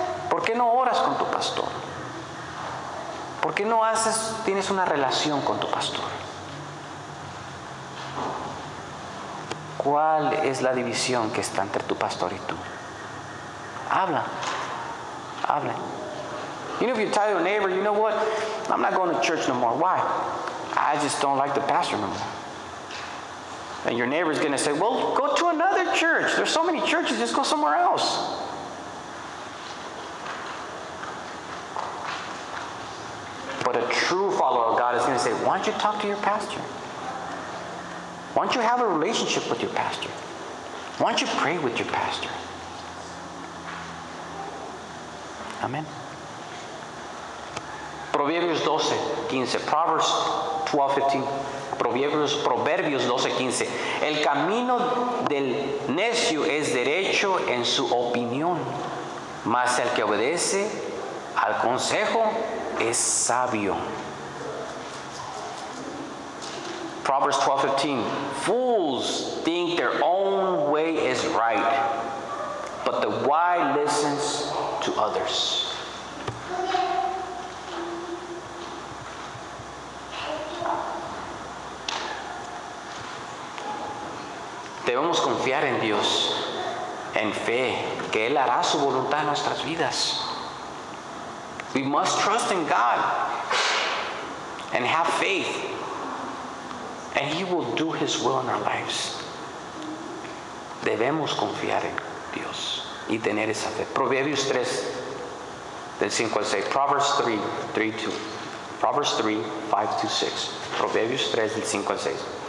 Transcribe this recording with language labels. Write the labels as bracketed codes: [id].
[es] ¿Por qué no oras con tu pastor? ¿Por qué no tienes una relación con tu pastor? ¿Cuál es la división que está entre tu pastor y tú? Habla. Habla. [en] You know, if you tell your neighbor, you know what? I'm not going to church no more. Why? I just don't like the pastor no more. And your neighbor's going to say, well, go to another church. There's so many churches, just go somewhere else. But a true follower of God is going to say, why don't you talk to your pastor? Why don't you have a relationship with your pastor? Why don't you pray with your pastor? Amen. [es] Proverbios 12:15. [en] Proverbs 12:15. [es] Proverbios 12:15. El camino del necio es derecho en su opinión, mas el que obedece al consejo es sabio. [en] Proverbs 12:15. Fools think their own way is right, but the wise listens to others. [es] Debemos confiar en Dios, en fe, que Él hará su voluntad en nuestras vidas. [en] We must trust in God and have faith, and He will do His will in our lives. [es] Debemos confiar en Dios y tener esa fe. Proverbios 3, del 5 al 6. [en] Proverbs 3, 3 to 6. Proverbs 3, 5 to 6. [es] Proverbios 3, del 5 al 6.